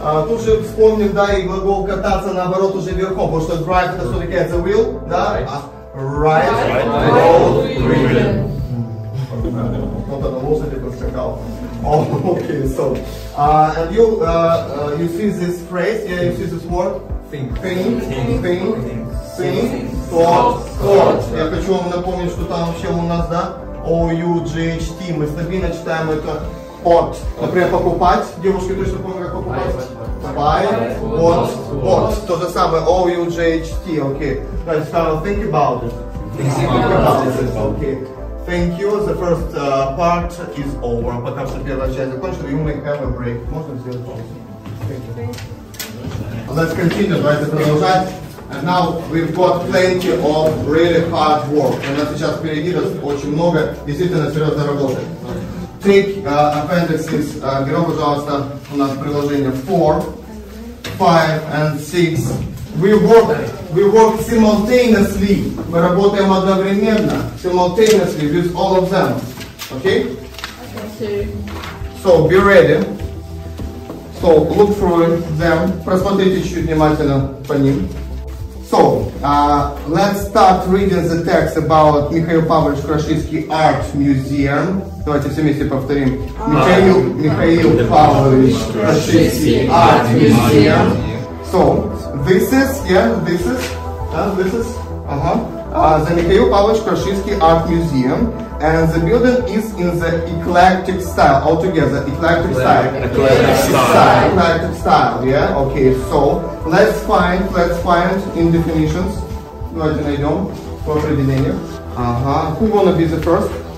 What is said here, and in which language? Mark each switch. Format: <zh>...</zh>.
<ru>Тут же вспомнил, да, и глагол кататься наоборот уже верхом. Потому что drive это все-таки это wheel. Да?</ru> <en>Right.</en> <ru>Вот это лошади проскакал.</ru> <en>Okay, so and you you see this phrase? Yeah, you see this word? Think.</en> <ru>Я хочу вам напомнить, что там вообще у нас, да, OUGHT. Мы стабильно читаем это от. Например, покупать. Девушки точно помнят, как покупать.</ru> <en>Buy. What. То же самое. OUGHT. Okay. Let's start. Think about it. Okay. Thank you. The first part is over.</en> <ru>Пока что первая часть закончена,</ru> <en>you may have a break.</en> <ru>Можно сделать паузу?</ru> <en>Thank you. Let's continue.</en> <ru>Давайте продолжать.</ru> <en>And now we've got plenty of really hard work.</en> <ru>У нас сейчас впереди очень много действительно серьезной работы.</ru> <en>Take appendices.</en> <ru>Берем, пожалуйста, у нас приложение 4, 5 and 6.</ru> <en>We work simultaneously.</en> <ru>Мы работаем одновременно.</ru> <en>Simultaneously with all of them. Okay? Okay. So be ready. So look through them.</en> <ru>Просмотрите чуть внимательно по ним.</ru> <en>So let's start reading the text about Михаил Павлович Крашицкий Art Museum.</en> <ru>Давайте все вместе повторим. Михаил Павлович</ru> <en>Крашицкий Art Museum. So, this is, uh-huh, the Mikhail Pavlovich Krashinsky Art Museum, and the building is in the eclectic style, altogether, eclectic style, yeah, okay, so, let's find in definitions, who wanna be the first?</en>